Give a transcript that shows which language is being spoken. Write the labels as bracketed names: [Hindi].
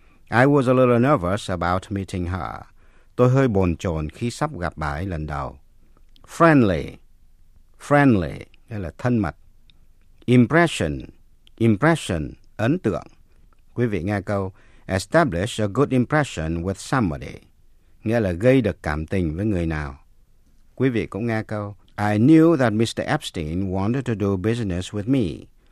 [English] I was a little nervous about meeting her. [Vietnamese] Tôi hơi bồn chồn khi sắp gặp bà ấy lần đầu. [English] Friendly, friendly, [Vietnamese] nghĩa là thân mật. Impression, impression, ấn tượng. Quý vị nghe câu [English] establish a good impression with somebody, [Vietnamese] nghĩa là gây được cảm tình với người nào. Quý vị cũng nghe câu, [English] I knew that Mr. Epstein wanted to do business with me.